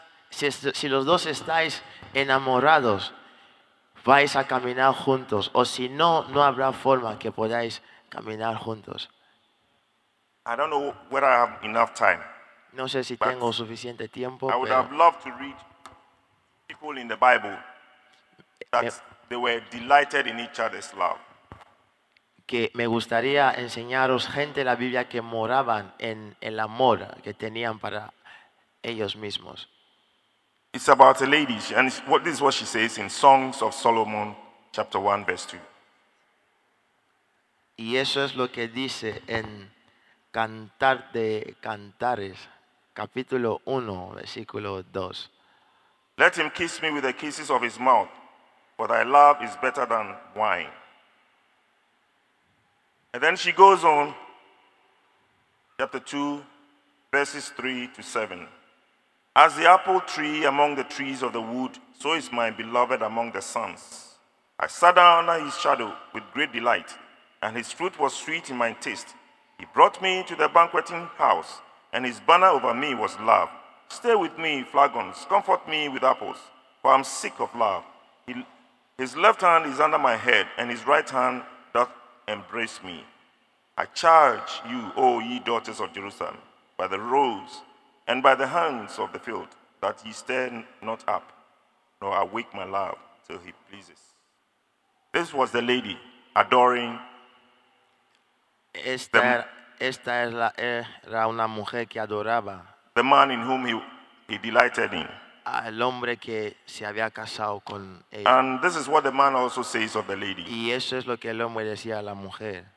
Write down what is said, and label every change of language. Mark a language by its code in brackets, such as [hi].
[es] Si los dos estáis enamorados, vais a caminar juntos. O si no, no habrá forma que podáis caminar juntos. [en] I don't know whether I have enough time. [es] No sé si tengo suficiente tiempo. [en] I would have loved to read people in the Bible that they were delighted in each other's love. [es] Que me gustaría enseñaros gente de la Biblia que moraban en el amor que tenían para ellos mismos. [en] It's about a lady, and this is what she says in Songs of Solomon, chapter 1, verse 2. [es] Y eso es lo que dice en Cantar de Cantares, capítulo 1, versículo 2. [en] Let him kiss me with the kisses of his mouth, for thy love is better than wine. And then she goes on, chapter 2, verses 3 to 7. As the apple tree among the trees of the wood, so is my beloved among the sons. I sat down under his shadow with great delight, and his fruit was sweet in my taste. He brought me to the banqueting house, and his banner over me was love. Stay with me, flagons, comfort me with apples, for I'm sick of love. His left hand is under my head, and his right hand doth embrace me. I charge you, O ye daughters of Jerusalem, by the rose and by the hands of the field, that ye stand not up, nor awake my love till he pleases. This was the lady adoring. [es] Esta es la era una mujer que adoraba. [en] The man in whom he delighted in. [es] Al hombre que se había casado con él. [en] And this is what the man also says of the lady. [es] Y eso es lo que el hombre decía a la mujer.